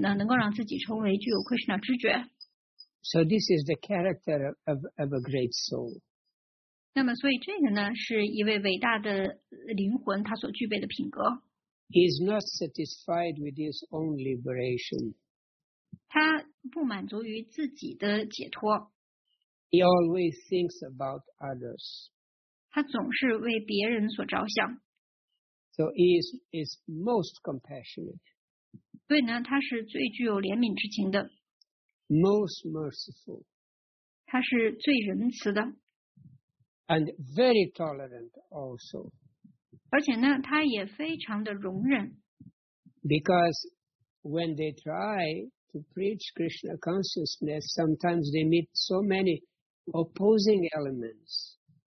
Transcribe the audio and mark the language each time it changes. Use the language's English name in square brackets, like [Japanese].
[Chinese] 那人类的生活呢，是为了要让自己变得具有自我觉悟，并且呢，能够让自己成为具有 Krishna 知觉。 [English] So this is the character of a great soul. [Chinese] 那么，所以这个呢，是一位伟大的灵魂他所具备的品格。 [English] He is not satisfied with his own liberation. [Chinese] 他不满足于自己的解脱。 [English] He always thinks about others. [Chinese] 他总是为别人所着想。 [English] So he is most compassionate. [Chinese] 对呢，他是最具有怜悯之情的。 [English] Most merciful. [Chinese] 他是最仁慈的。 [English] And very tolerant also. [Chinese] 而且呢，他也非常的容忍。 [English] Because when they try to preach Krishna consciousness, sometimes they meet so many opposing elements.